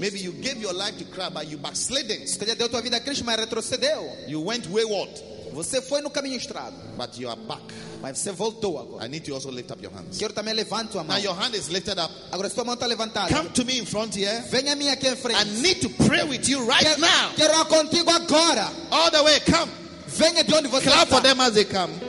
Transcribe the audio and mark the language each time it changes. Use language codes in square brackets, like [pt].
[en] Maybe you gave your life to Christ but you backslidden. [pt] Você já deu tua vida a Cristo, mas retrocedeu. [en] You went wayward. [pt] Você foi no caminho estrado. [en] But you are back. [pt] Mas você voltou agora. [en] I need you also lift up your hands. [pt] Quero também levantar tua mão. [en] Now your hand is lifted up. [pt] Agora sua mão está levantada. [en] Come to me in front here. [pt] Venha a mim aqui em frente. [en] I need to pray with you right now. [pt] Quero orar contigo agora. [en] All the way, come. [pt] Venha de onde você [en] clap [pt] está. [en] For them as they come.